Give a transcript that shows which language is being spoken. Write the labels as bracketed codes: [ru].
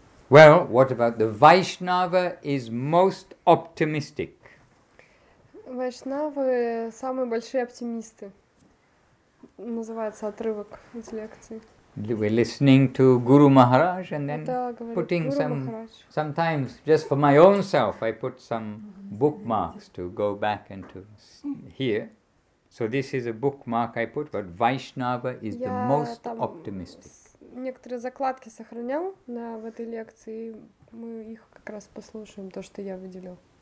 [en] Well, what about the Vaishnava is most optimistic? [ru] Vaishnava – самые большие оптимисты. Называется отрывок из лекции. [en] We're listening to Guru Maharaj and then putting some, sometimes just for my own self, I put some bookmarks to go back and to hear. So this is a bookmark I put, but Vaishnava is the most optimistic. [ru] Некоторые закладки сохранял на в этой лекции, мы их как раз послушаем, то, что я выделил.